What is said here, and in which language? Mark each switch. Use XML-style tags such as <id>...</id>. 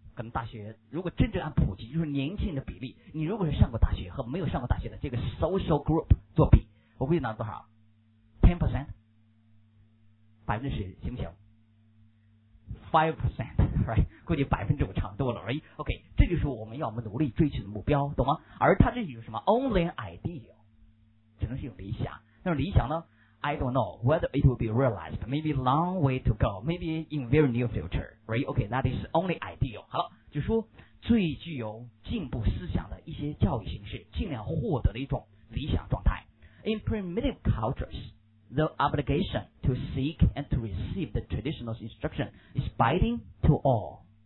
<zh>可能大学如果真正按普及，就是年轻的比例，你如果是上过大学和没有上过大学的这个 social group 做比，我估计拿多少？ 10%， 10%行不行？5%， right？估计5%差不多了而已。 OK， 这就是我们要努力追求的目标，懂吗？而它这就是什么 ？</zh> <en>Only an ideal，</en> <zh>只能是一种理想。那种理想呢</zh> <en>？I don't know whether it will be realized. Maybe long way to go. Maybe in very near future. Right? OK， that is only ideal.</en> <zh>好了，就说最具有进步思想的一些教育形式，尽量获得的一种理想状态。</zh> <en>In primitive cultures. The obligation to seek and to receive the traditional instruction is binding to all.</en>